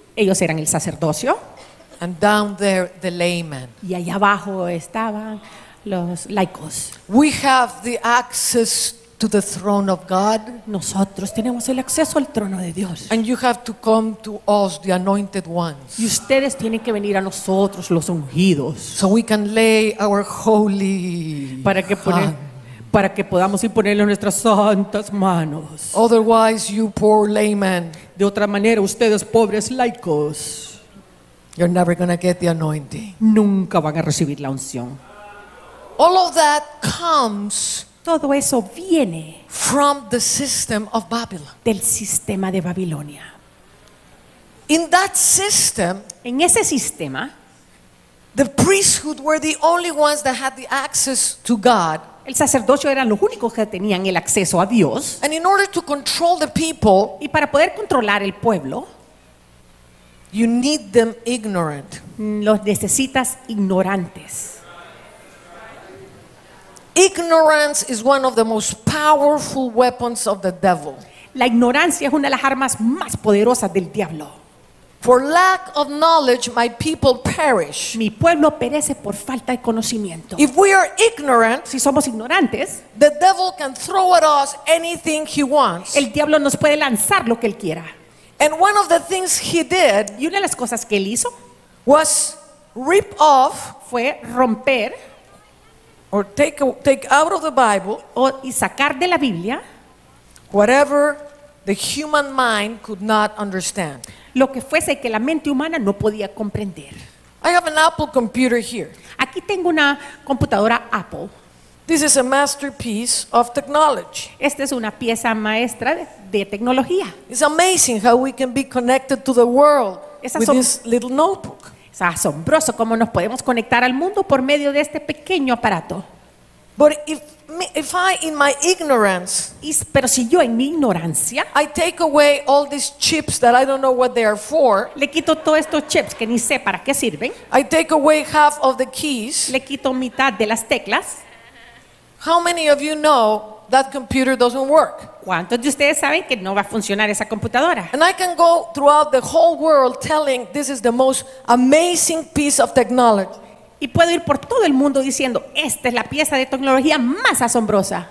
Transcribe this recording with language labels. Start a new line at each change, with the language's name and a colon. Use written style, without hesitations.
Spanish: Ellos eran el sacerdocio.
English: And down there the laymen.
Spanish: Y allá abajo estaban los laicos.
English: We have the access to the throne of God.
Spanish: Nosotros tenemos el acceso al trono de Dios.
English: And you have to come to us, the anointed ones.
Spanish: Y ustedes tienen que venir a nosotros, los ungidos.
English: So we can lay our holy
Spanish: para que podamos imponerle nuestras santas manos.
English: Otherwise, you poor laymen.
Spanish: De otra manera, ustedes pobres laicos.
English: You're never gonna get the anointing.
Spanish: Nunca van a recibir la unción.
English: All of that comes.
Spanish: Todo eso viene
English: from the system of Babylon.
Spanish: Del sistema de Babilonia.
English: In that system,
Spanish: en ese sistema,
English: the priesthood were the only ones that had the access to God.
Spanish: El sacerdocio eran los únicos que tenían el acceso a Dios.
English: And in order to control the people,
Spanish: y para poder controlar el pueblo,
English: you need them ignorant.
Spanish: Los necesitas ignorantes.
English: Ignorance is one of the most powerful weapons of the devil.
Spanish: La ignorancia es una de las armas más poderosas del diablo.
English: For lack of knowledge, my people perish.
Spanish: Mi pueblo perece por falta de conocimiento.
English: If we are ignorant,
Spanish: si somos ignorantes,
English: the devil can throw at us anything he wants.
Spanish: El diablo nos puede lanzar lo que él quiera.
English: And one of the things he did,
Spanish: y una de las cosas que él hizo,
English: was rip off,
Spanish: fue romper,
English: or take out of the Bible,
Spanish: o y sacar de la Biblia,
English: whatever the human mind could not understand.
Spanish: Lo que fuese que la mente humana no podía comprender.
English: I have an Apple computer here.
Spanish: Aquí tengo una computadora Apple.
English: This is a masterpiece of technology.
Spanish: Esta es una pieza maestra de tecnología.
English: It's amazing how we can be connected to the world with this little notebook.
Spanish: Es asombroso cómo nos podemos conectar al mundo por medio de este pequeño aparato.
English: But if I in my ignorance,
Spanish: pero si yo en mi ignorancia,
English: I take away all these chips that I don't know what they are for.
Spanish: Le quito todos estos chips que ni sé para qué sirven.
English: I take away half of the keys.
Spanish: Le quito mitad de las teclas.
English: How many of you know that computer doesn't work?
Spanish: ¿Cuántos de ustedes saben que no va a funcionar esa computadora?
English: And I can go throughout the whole world telling this is the most amazing piece of technology.
Spanish: Y puedo ir por todo el mundo diciendo, esta es la pieza de tecnología más asombrosa.